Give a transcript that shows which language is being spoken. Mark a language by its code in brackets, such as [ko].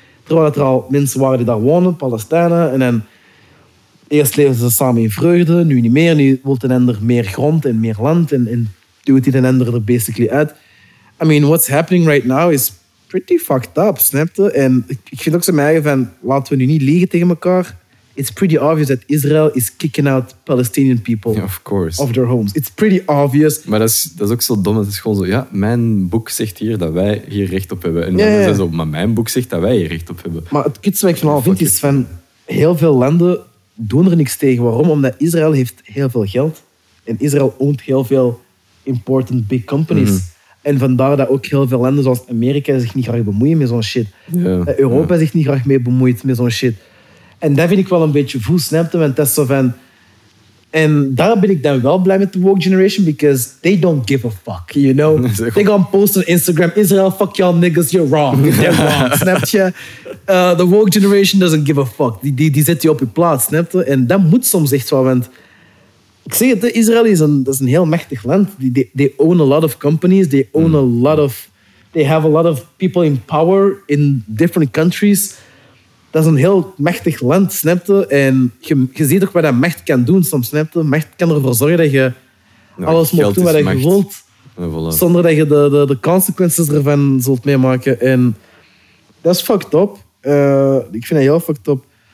[nl] Terwijl er al mensen waren die daar wonen, Palestijnen. En dan... Eerst leven ze samen in vreugde. Nu niet meer. Nu wil een ander meer grond en meer land. En doet hij een ander er basically uit. [en] I mean, what's happening right now is... Pretty fucked up, snapte. [nl] En ik vind ook zo mijn eigen van... Laten we nu niet liegen tegen elkaar. [en] It's pretty obvious that Israel is kicking out Palestinian people. Yeah, of course. Of their homes. It's pretty obvious. [nl] Maar dat is ook zo dom. Het is gewoon zo... Ja, mijn boek zegt hier dat wij hier recht op hebben. En dan is dat zo... Maar mijn boek zegt dat wij hier recht op hebben. Maar het kutste wat ik van al vind is van... Heel veel landen doen er niks tegen. Waarom? Omdat Israël heeft heel veel geld. En Israël oont heel veel [en] important big companies. [nl] Mm. En vandaar dat ook heel veel landen zoals Amerika zich niet graag bemoeien met zo'n shit. Ja, Europa zich niet graag mee bemoeit met zo'n shit. En dat vind ik wel een beetje voel, snap je? Want dat is zo van... En daar ben ik dan wel blij met de woke generation, [en] because they don't give a fuck, you know? They [nl] gaan posten op [en] Instagram, Israel, fuck y'all niggas, you're wrong. They're wrong, [nl] snap je? [en] The woke generation doesn't give a fuck. [nl] Die zet je op je plaats, snap je? En dat moet soms echt wel, want... Ik zeg het, Israël is een heel machtig land. [en] They own a lot of companies. They own a lot of... They have a lot of people in power in different countries. [nl] Dat is een heel machtig land, snap je? En je ziet ook wat dat macht kan doen, soms, snap je? Macht kan ervoor zorgen dat je alles mag doen wat je wilt. Zonder dat je de consequences ervan zult meemaken. En dat is fucked up. Ik vind dat heel fucked up.